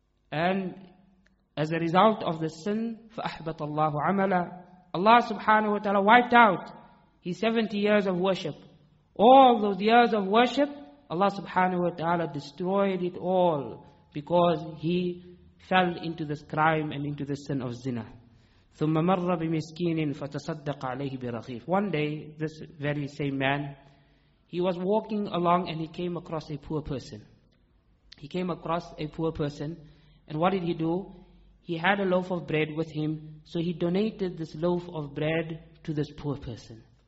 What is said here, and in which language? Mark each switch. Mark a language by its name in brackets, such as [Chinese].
[English] And as a result of the sin, [Arabic] فَأَحْبَطَ اللَّهُ عَمَلًا, [English] Allah subhanahu wa ta'ala wiped out his 70 years of worship. All those years of worship, Allah subhanahu wa ta'ala destroyed it all because he fell into this crime and into the sin of zina. [Arabic] ثم مر بمسكين فتصدق عليه برغيف. [English] One day, this very same man, he was walking along and he came across a poor person. He came across a poor person, and what did he do? He had a loaf of bread with him, so he donated this loaf of bread to this poor person.